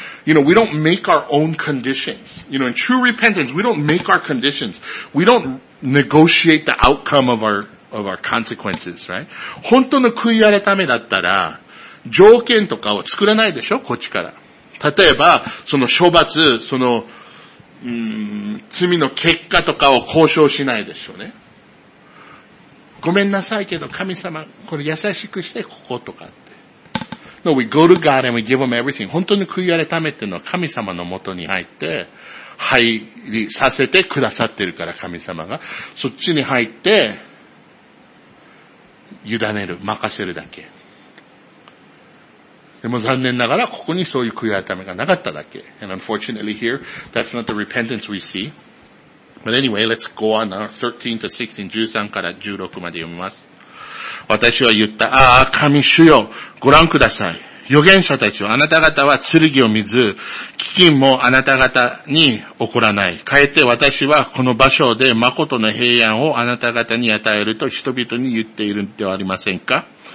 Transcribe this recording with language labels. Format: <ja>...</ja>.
<en>You know, we don't make our own conditions. You know, in true repentance, we don't make our conditions. We don't negotiate the outcome of our consequences, right?</en> <ja>本当の悔い改めだったら、条件とかを作らないでしょ、こっちから。例えば、その処罰、その、罪の結果とかを交渉しないでしょうね。ごめんなさいけど神様これ優しくしてこことかって。</ja> <en>No, we go to God and we give him everything.</en> <ja>本当に悔い改めっていうのは神様のもとに入って入りさせてくださってるから神様がそっちに入って委ねる任せるだけ。でも残念ながらここにそういう悔い改めがなかっただけ。</ja> <en>And unfortunately here, that's not the repentance we see. But anyway, let's go on now. 13 to 16,</en> <ja>13から16まで読みます。私は言った、ああ、神主よ、ご覧ください。預言者たちは、あなた方は剣を見ず、飢饉もあなた方に起こらない。かえって私はこの場所で誠の平安をあなた方に与えると人々に言っているのではありませんか。</ja>